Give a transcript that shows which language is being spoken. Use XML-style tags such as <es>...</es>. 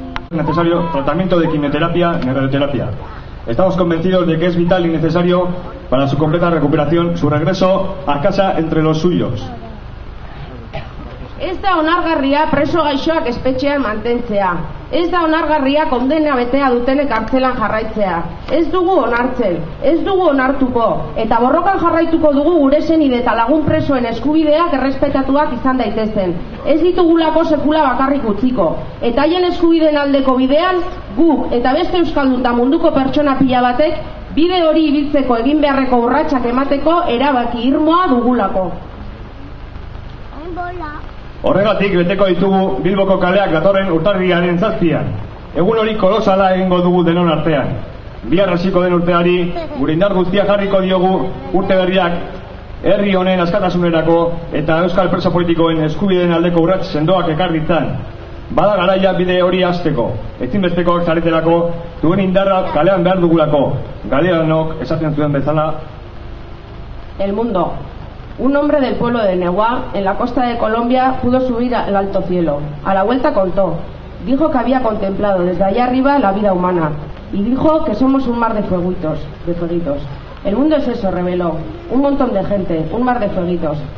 <es>Es necesario tratamiento de quimioterapia y radioterapia. Estamos convencidos de que es vital y necesario para su completa recuperación, su regreso a casa entre los suyos.</es> <eu>Ez da onargarria preso gaixoak espetxean mantentzea. Ez da onargarria kondena betea dutenek kartzelan jarraitzea. Ez dugu onartzen, ez dugu onartuko, eta borrokan jarraituko dugu gure senide eta lagun presoen eskubideak errespetatuak izan daitezen. Ez ditugulako sekula bakarrik utziko. Eta haien eskubideen aldeko bidean, guk eta beste euskaldun eta munduko pertsona pila batek, bide hori ibiltzeko egin beharreko urratsak emateko erabaki irmoa dugulako. Horregatik beteko ditugu Bilboko kaleak datorren urtarrilaren 7an. Egun hori kolosala egingo dugu denon artean. Bihar hasiko den urteari, gure indar guztia jarriko diogu urte berriak herri honen askatasunerako eta euskal preso politikoen eskubideen aldeko urrats sendoak ekar ditzan. Bada garaia bide hori hasteko. Ezinbestekoak zareterako, duen indarra kalean behar dugulako. Galeanok esaten zuen bezala.</eu> <es>El mundo. Un hombre del pueblo de Neguá, en la costa de Colombia, pudo subir al alto cielo. A la vuelta contó. Dijo que había contemplado desde allá arriba la vida humana. Y dijo que somos un mar de fueguitos. El mundo es eso, reveló. Un montón de gente, un mar de fueguitos.</es>